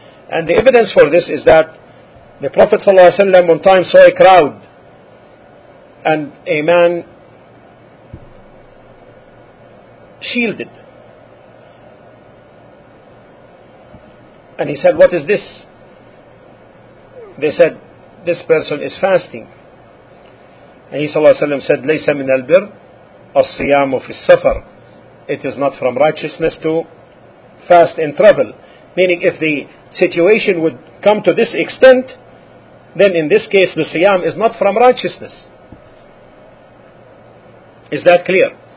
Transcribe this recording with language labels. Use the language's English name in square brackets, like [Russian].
[English] And the evidence for this is that the Prophet ﷺ one time saw a crowd, and a man shielded. And he said, what is this? They said, this person is fasting. [Arabic] And he ﷺ said, لَيْسَ مِنَ الْبِرِّ الصِّيَامُ فِي السَّفَرِ. [English] It is not from righteousness to fast in travel. Meaning, if the situation would come to this extent, then in this case the siyam is not from righteousness. Is that clear?